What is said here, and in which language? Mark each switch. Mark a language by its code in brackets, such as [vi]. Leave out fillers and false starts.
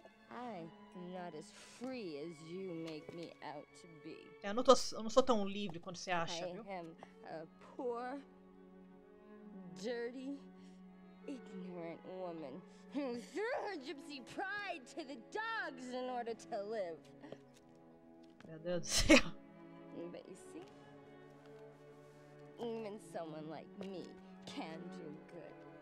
[en] I am not as free as you make me out to be. [pt] Eu não sou tão livre quanto você acha, viu? [en] I am a poor, dirty, ignorant woman who threw her gypsy pride to the dogs in order to live. [pt] Meu Deus do céu. [en] But you see, even someone like me can do good.